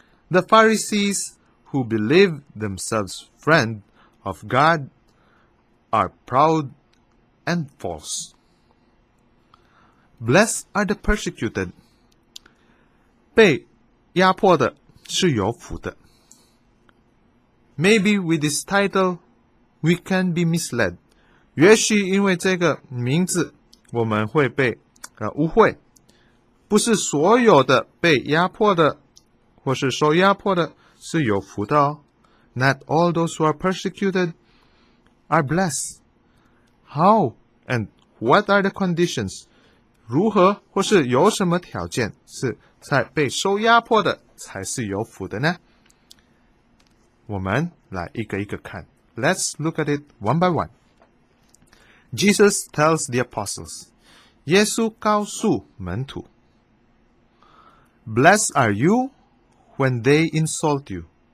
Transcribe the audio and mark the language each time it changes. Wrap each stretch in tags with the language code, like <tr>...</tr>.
<en>The Pharisees, who believe themselves friend of God, are proud and false. Blessed are the persecuted.</en> <zh>被压迫的是有福的。</zh> <en>Maybe with this title, we can be misled.</en> <zh>也许因为这个名字，我们会被误会。不是所有的被压迫的，或是受压迫的，是有福的哦。</zh> <en>Not all those who are persecuted are blessed. How and what are the conditions?</en> <zh>如何或是有什么条件，是在被受压迫的才是有福的呢？我们来一个一个看。</zh> <en>Let's look at it one by one. Jesus tells the apostles.</en> <zh>耶稣告诉门徒。</zh> <en>Blessed are you when they insult you.</en>